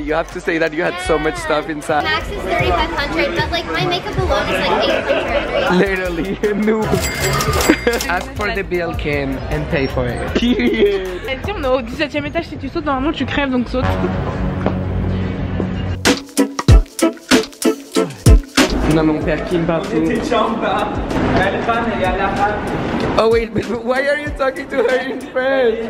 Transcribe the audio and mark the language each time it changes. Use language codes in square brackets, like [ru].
[en] You have to say that you had so much stuff inside. Max is 3500, but like my makeup alone is like 800. Right? Literally, new. Ask for the bill, Kim, and pay for it. Period. [fr] Tu sais, on est au 17ème étage, si tu sautes, normalement tu crèves, donc saute. On a mon père Kim partout. Elle est en bas. Elle est fan et elle est à la. [en] Oh wait, but why are you talking to her in French?